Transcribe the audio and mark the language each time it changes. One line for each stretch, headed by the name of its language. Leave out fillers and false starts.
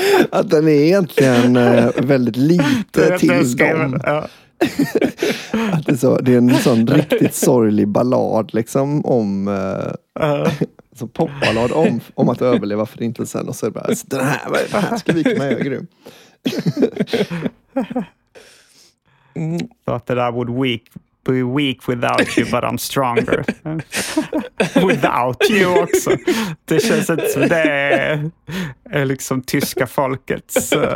Swedish: Att den är egentligen väldigt lite till dem. Det är en sån riktigt sorglig ballad liksom om så popballad om att överleva förintelsen och så är det bara, så här ska vi komma göra grym.
English: Thought that I would be weak without you, but I'm stronger. Without you också.
Swedish: Det känns inte som det är liksom tyska folkets...